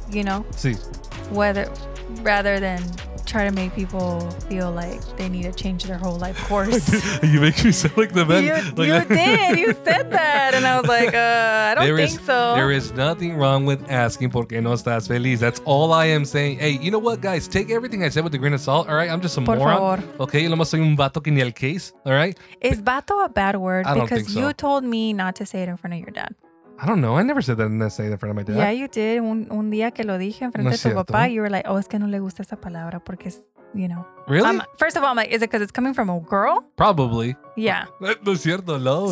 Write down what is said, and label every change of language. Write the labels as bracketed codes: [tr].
[en] You know, rather than try to make people feel like they need to change their whole life course. You make me sound like the man. You said that. And I was like, I don't think so. There is nothing wrong with asking [es] por qué no estás feliz. [en] That's all I am saying. Hey, you know what, guys? Take everything I said with a grain of salt. All right? I'm just a [es] por [en] moron. [es] Favor. [en] Okay? [es] Yo nomás soy un vato que ni el case. [en] All right? Is vato a bad word? I don't think so. Because you told me not to say it in front of your dad. I don't know. I never said that in an essay in front of my dad. Yeah, you did. [es] Un día que lo dije en frente de tu papá, [en] you were like, oh, [es] es que no le gusta esa palabra porque es, [en] you know. Really? First of all, I'm like, is it because it's coming from a girl? Probably. Yeah. [es] No es cierto, no.